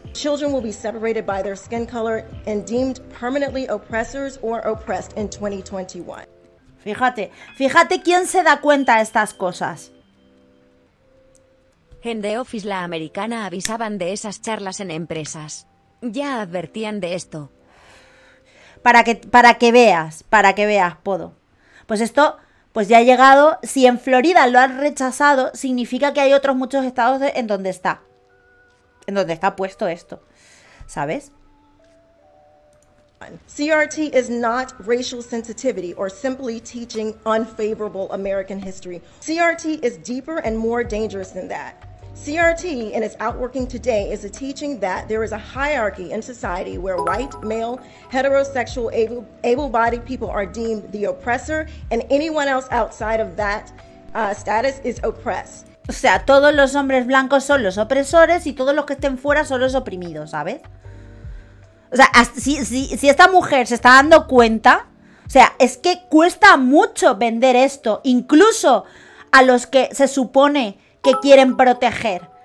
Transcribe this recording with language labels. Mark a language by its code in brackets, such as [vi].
[en] Children will be separated by their skin color and deemed permanently oppressors or oppressed in 2021. [es] Fíjate quién se da cuenta de estas cosas. En The Office la americana avisaban de esas charlas en empresas. Ya advertían de esto. Para que veas, Podo. Pues esto, pues ya ha llegado. Si en Florida lo han rechazado, significa que hay otros muchos estados en donde está. En donde está puesto esto, ¿sabes? [en] on. CRT is not racial sensitivity or simply teaching unfavorable American history. CRT is deeper and more dangerous than that. CRT, in its outworking today, is a teaching that there is a hierarchy in society where white, male, heterosexual, able-bodied people are deemed the oppressor, and anyone else outside of that status is oppressed. [es] O sea, todos los hombres blancos son los opresores y todos los que estén fuera son los oprimidos, ¿sabes? O sea, si esta mujer se está dando cuenta, o sea, es que cuesta mucho vender esto, incluso a los que se supone que quieren proteger.